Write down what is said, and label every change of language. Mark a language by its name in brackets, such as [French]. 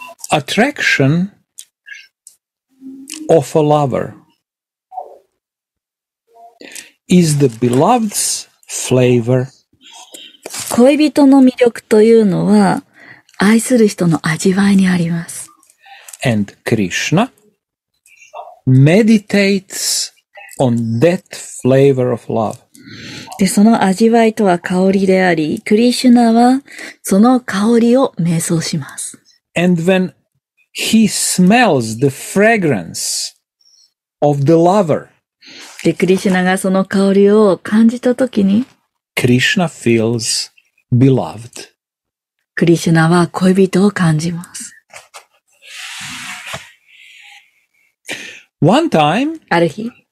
[English] Attraction of a lover is the beloved's flavor. [Japanese] 恋人の魅力というのは愛する人の味わいにあります。 [English] And Krishna meditates on that flavor of love. [Japanese] で、その味わいとは香りであり、クリシュナはその香りを瞑想します。 [English] And when he smells the fragrance of the lover, [Japanese] で、クリシュナがその香りを感じたときに、 [English] クリシュナ feels beloved. [Japanese] クリシュナは恋人を感じます。 [English] One time, [Japanese] ある日、